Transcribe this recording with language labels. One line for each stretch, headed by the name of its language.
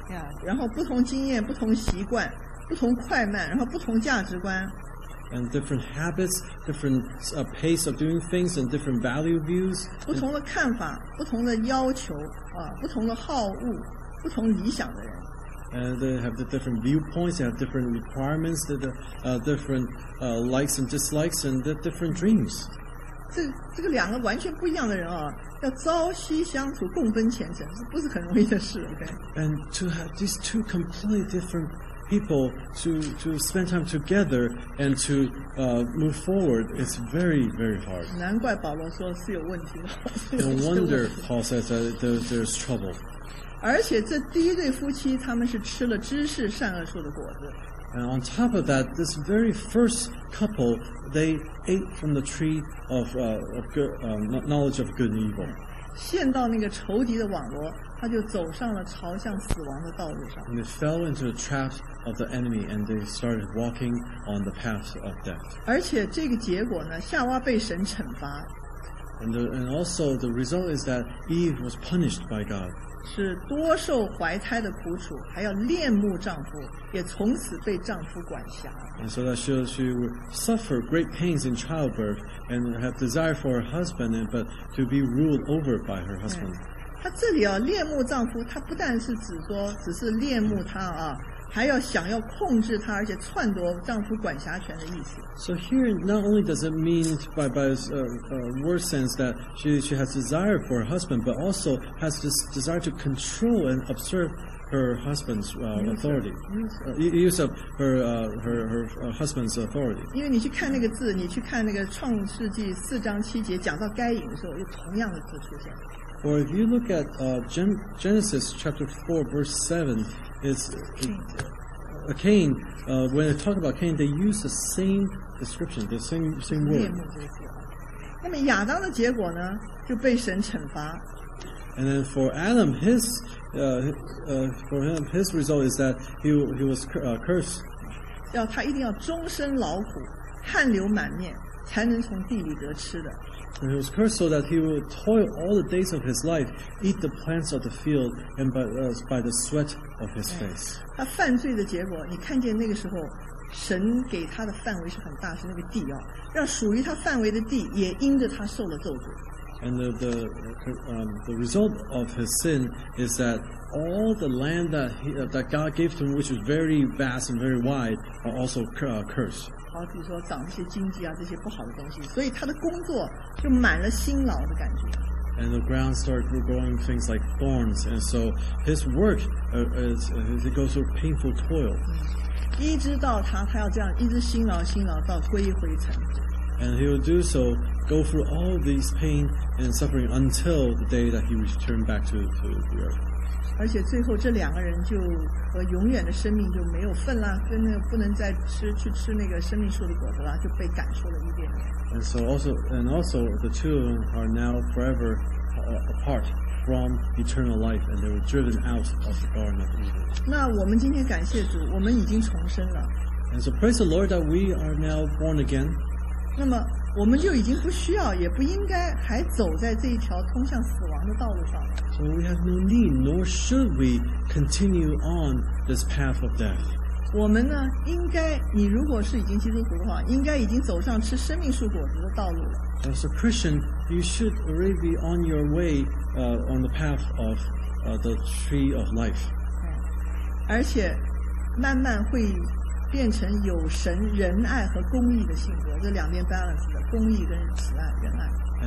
Chinese: Yeah, 然后不同经验，不同习惯，不同快慢，然后不同价值观。
English: And different habits, different pace of doing things, and different value views.
Chinese: 不同的看法，不同的要求，不同的好恶。不同理想的人
English: and they have the different viewpoints, they have different requirements, the different likes and dislikes, and the different dreams.
Chinese: 这个两个完全不一样的人啊，要朝夕相处，共分前程，这不是很容易的事。
English: OK. And to have these two completely different people to spend time together and to move forward is very very hard.
Chinese: 难怪保罗说是有问题的。
English: No wonder Paul says that there's trouble.
Chinese: 而且这第一对夫妻他们是吃了知识善恶树的果子。
English: And on top of that, this very first couple, they ate from the tree of, knowledge of good and evil.
Chinese: 陷到那个仇敌的网络，他就走上了朝向死亡的道路上。
English: And they fell into the traps of the enemy, and they started walking on the path of death.
Chinese: 而且这个结果呢，夏娃被神惩罚。
English: And also the result is that Eve was punished by God.
Chinese: 是多受怀胎的苦楚，还要恋慕丈夫，也从此被丈夫管辖。
English: And so that she would suffer great pains in childbirth and have desire for her husband, but to be ruled over by her husband.
Chinese: 她这里啊，恋慕丈夫，她不但是指说只是恋慕他啊，还要想要控制他，而且篡夺丈夫管辖权的意思。
English: So here, not only does it mean by worse sense that she has desire for her husband, but also has this desire to control and absorb her husband's authority, use of her husband's authority.
Chinese: 因为你去看那个字，你去看那个创世纪四章七节讲到该隐的时候，有同样的字出现。
English: Or if you look at Genesis chapter 4 verse 7, it's Cain, when they talk about Cain, they use the same description, the same word.
Chinese: 那么亚当的结果呢，就被神惩罚。
English: And then for Adam, his result is that he was cursed.
Chinese: 要他一定要终身劳苦，汗流满面，才能从地里得吃的。
English: And he was cursed so that he would toil all the days of his life, eat the plants of the field, and by the sweat of his face.
Chinese: 他犯罪的结果，你看见那个时候，神给他的范围是很大，是那个地啊，让属于他范围的地也因着他受了咒诅。
English: And the result of his sin is that all the land that that God gave to him, which was very vast and very wide, are also cursed.
Chinese: 好，比如说长一些荆棘啊，这些不好的东西，所以他的工作就满了辛劳的感觉。
English: And the ground starts growing things like thorns, and so his work is it goes through painful toil.
Chinese: 一直到他要这样一直辛劳辛劳到归于灰尘。
English: And he will do so, go through all these pain and suffering until the day that he returns back to the earth.
Chinese: 而且最后这两个人就和永远的生命就没有份了，跟那个不能再去吃那个生命树的果子了，就被赶出了伊甸园。
English: And so also the two of them are now forever apart from eternal life, and they were driven out of the garden of Eden.
Chinese: 那我们今天感谢主，我们已经重生了。
English: And so praise the Lord that we are now born again.
Chinese: 那么我们就已经不需要，也不应该还走在这一条通向死亡的道路上。
English: So we have no need, nor should we continue on this path of death.
Chinese: 我们呢，应该，你如果是已经基督徒的话，应该已经走上吃生命树果子的道路了。
English: As a Christian, you should already be on your way, on the path of, the tree of life.
Chinese: 而且，慢慢会变成有神仁爱和公义的性格，这两边 balance 的公义跟慈爱仁爱。